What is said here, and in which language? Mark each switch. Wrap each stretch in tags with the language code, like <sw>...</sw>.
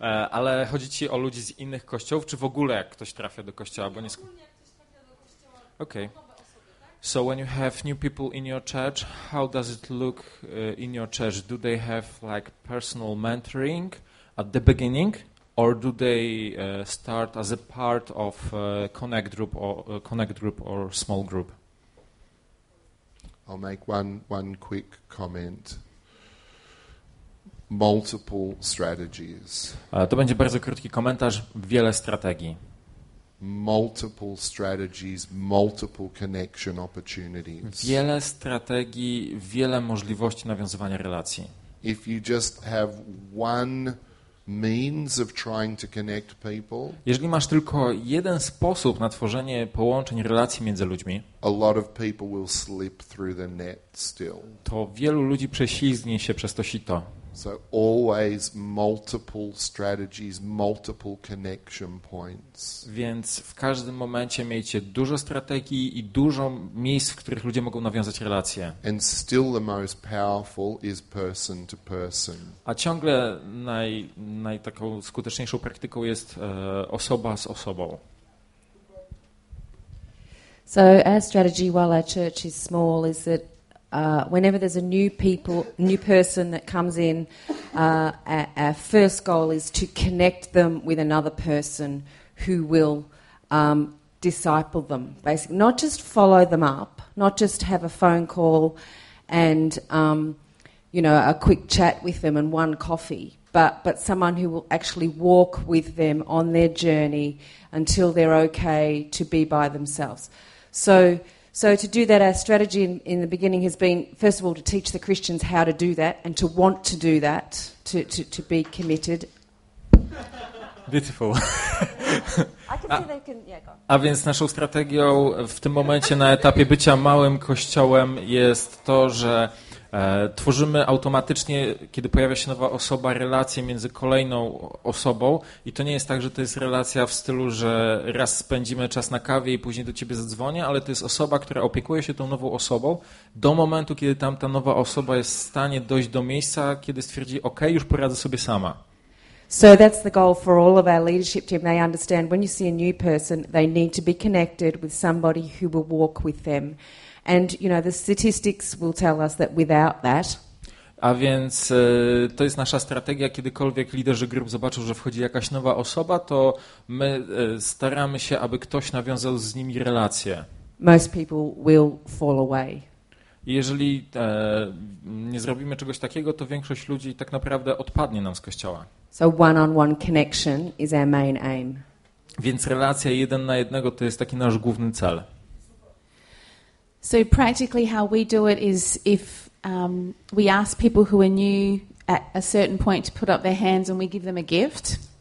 <pl>Ale chodzi ci o ludzi z innych kościołów, czy w ogóle jak ktoś trafia do kościoła? Bo nie ogólnie jak ktoś trafia do kościoła, okay.</pl> <en>So when you have new people in your church, how does it look in your church? Do they have like personal mentoring at the beginning, or do they start as a part of connect group or small group? I'll make one quick comment. Multiple strategies.</en> <pl>To będzie bardzo krótki komentarz. Wiele strategii.</pl> <en>Multiple strategies, multiple connection opportunities.</en> <pl>Wiele strategii, wiele możliwości nawiązywania relacji.</pl> <en>If you just have one means of trying to connect people.</en> <pl>Jeżeli masz tylko jeden sposób na tworzenie połączeń, relacji między ludźmi,</pl> <en>a lot of people will slip through the net still.</en> <pl>To wielu ludzi prześliznie się przez to sito.</pl> <en>So always multiple strategies, multiple connection points.</en> <pl>Więc w każdym momencie miejcie dużo strategii i dużo miejsc, w których ludzie mogą nawiązać relacje.</pl> <en>And still the most powerful is person to person.</en> <pl>A ciągle naj taką skuteczniejszą praktyką jest osoba z osobą.</pl> <en>So our strategy while our church is small is that whenever there's a new person that comes in, our first goal is to connect them with another person who will disciple them. Basically, not just follow them up, not just have a phone call and a quick chat with them and one coffee, but someone who will actually walk with them on their journey until they're okay to be by themselves. So to do that, our strategy in the beginning has been, first of all, to teach the Christians how to do that and to want to do that, to be committed. Beautiful. I can see they can, yeah, go.</en> <pl>A więc naszą strategią w tym momencie na etapie bycia małym kościołem jest to, że tworzymy automatycznie, kiedy pojawia się nowa osoba, relację między kolejną osobą i to nie jest tak, że to jest relacja w stylu, że raz spędzimy czas na kawie i później do ciebie zadzwonię, ale to jest osoba, która opiekuje się tą nową osobą do momentu, kiedy tamta nowa osoba jest w stanie dojść do miejsca, kiedy stwierdzi, ok, już poradzę sobie sama.</pl> <en>So that's the goal for all of our leadership team. They understand when you see a new person, they need to be connected with somebody who will walk with them. And you know, the statistics will tell us that without that.</en> <pl>A więc to jest nasza strategia, kiedykolwiek liderzy grup zobaczą, że wchodzi jakaś nowa osoba, to my staramy się, aby ktoś nawiązał z nimi relacje.</pl> <en>Most people will fall away.</en> <pl>Jeżeli nie zrobimy czegoś takiego, to większość ludzi tak naprawdę odpadnie nam z kościoła.</pl> <en>So one-on-one connection is our main aim.</en> <pl>Więc relacja jeden na jednego to jest taki nasz główny cel.</pl> <en>So practically how we do it is if we ask people who are new at a certain point to put up their hands and we give them a gift.</en>